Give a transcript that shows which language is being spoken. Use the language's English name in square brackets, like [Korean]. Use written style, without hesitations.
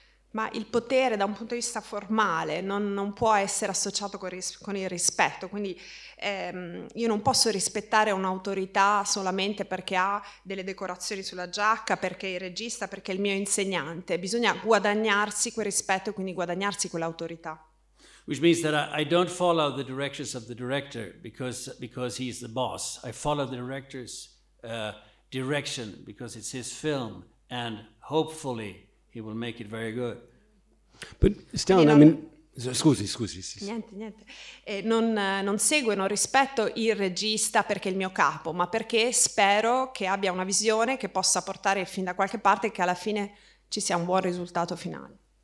[Italian] Ma il potere da un punto di vista formale non può essere associato con il rispetto, quindi io non posso rispettare un'autorità solamente perché ha delle decorazioni sulla giacca, perché è il regista, perché è il mio insegnante. Bisogna guadagnarsi quel rispetto e quindi guadagnarsi quell'autorità. [English] Which means that I don't follow the directions of the director because he's the boss. I follow the director's direction because it's his film and hopefully he will make it very good. But Stellan, I mean, [Italian] scusi. Niente. Non seguo, non rispetto il regista perché è il mio capo, ma perché spero che abbia una visione che possa portare fin da qualche parte e che alla fine ci sia un buon risultato finale.